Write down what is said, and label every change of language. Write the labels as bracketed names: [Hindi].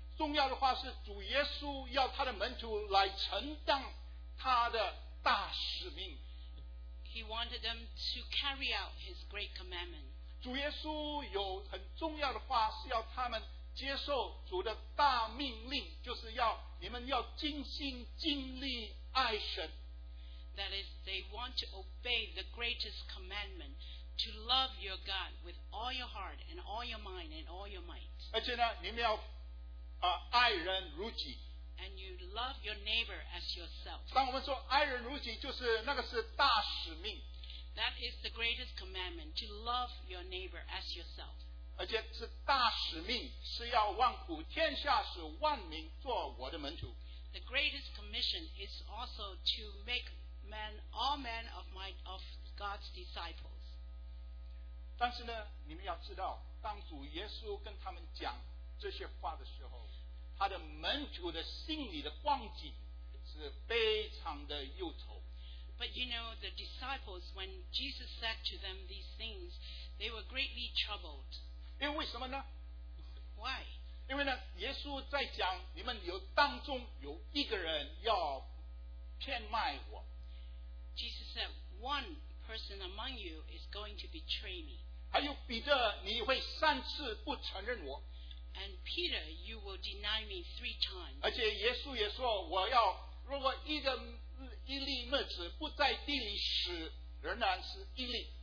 [Chinese] 重要的话是主耶稣要他的门徒来承担他的大使命。 [English] He wanted them to carry out his great commandment. [Chinese] 主耶稣有很重要的话是要他们接受主的大命令，就是要你们要尽心尽力爱神。 [English] That is, they want to obey the greatest commandment, to love your God with all your heart and all your mind and all your might. [Chinese] 而且呢，你们要爱人如己。 [English] And you love your neighbor as yourself. [Chinese] 当我们说爱人如己，就是那个是大使命。 [English] That is the greatest commandment, to love your neighbor as yourself. [Chinese] 而且是大使命，是要万古天下使万民做我的门徒。 [English] The greatest commission is also to make men, all men of God's disciples. [Chinese] 但是呢，你们要知道，当主耶稣跟他们讲这些话的时候，他的门徒的心里的光景是非常的忧愁。 [English] But you know, the disciples, when Jesus said to them these things, they were greatly troubled. [Chinese] 因为什么呢？ [English] Why? [Chinese] 因为呢，耶稣在讲，你们有当中有一个人要骗卖我。 [English] Jesus said, one person among you is going to betray me. [Chinese] 还有彼得，你会三次不承认我。 [English] And Peter, you will deny me three times. [Chinese] 而且耶稣也说，我要如果一粒麦子不在地里死，仍然是一粒。